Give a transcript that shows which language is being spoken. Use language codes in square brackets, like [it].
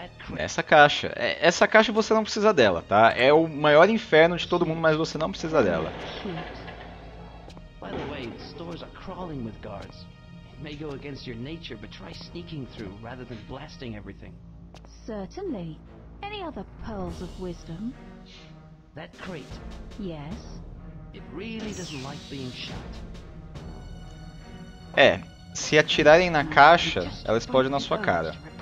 [pt] Nessa caixa. Essa caixa você não precisa dela, tá? É o maior inferno de todo mundo, mas você não precisa dela. [en] By the way, the stores are crawling with guards. It may go against your nature, but try sneaking through rather than blasting everything. Certainly. Any other pearls of wisdom? That crate. Yes. It really doesn't like being shot. [pt] Se atirarem na caixa, ela explode na sua cara.